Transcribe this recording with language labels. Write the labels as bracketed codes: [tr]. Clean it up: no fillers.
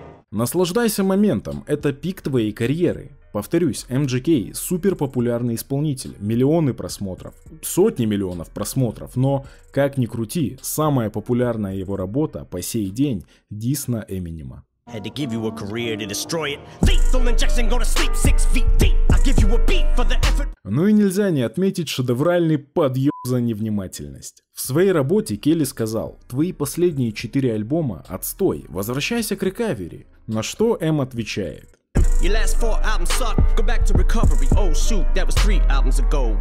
[ru] Наслаждайся моментом, это пик твоей карьеры. Повторюсь, MGK супер популярный исполнитель, миллионы просмотров, сотни миллионов просмотров, но как ни крути, самая популярная его работа по сей день дис на Эминема. [en] Had to give you a career to destroy it. Lethal injection, go to sleep 6 feet deep. I'll give you a beat for the effort. [ru] Ну и нельзя не отметить шедевральный подъем за невнимательность. В своей работе Келли сказал, твои последние 4 альбома отстой, возвращайся к рекавери. На что М отвечает. [en] Your last 4 albums suck, go back to recovery. Oh shoot, that was 3 albums ago.